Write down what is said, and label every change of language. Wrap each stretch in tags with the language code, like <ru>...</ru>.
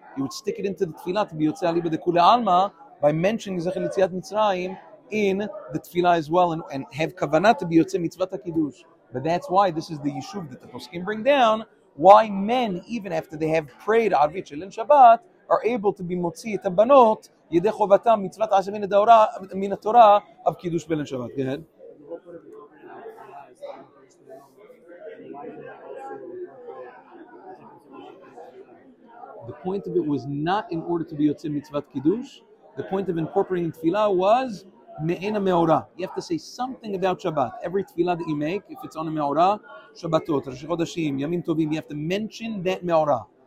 <en>He would stick it into the Tefillah to be Yotzeh Aliba de Kule Alma by mentioning Zechel Yitziat Mitzrayim in the Tefillah as well, and have Kavanah to be Yotzeh Mitzvah Takidush. But that's why this is the Yishuv that the Poskim bring down, why men, even after they have prayed Arvit Shelin Shabbat, are able to be Motzi Tabanot</en> <he>ידי חובתם מצוות עשה מן התורה, מן התורה אב קידוש בליל שבת.</he> <en>כן, the point of it was not in order to be yotzei mitzvat kiddush. The point of incorporating tefillah was me'en ha-me'orah. You have to say something about Shabbat. Every tefillah that you make, if it's on a me'orah, Shabbatot, Rosh Chodeshim, Yamim Tovim, you have to mention that me'orah.</en>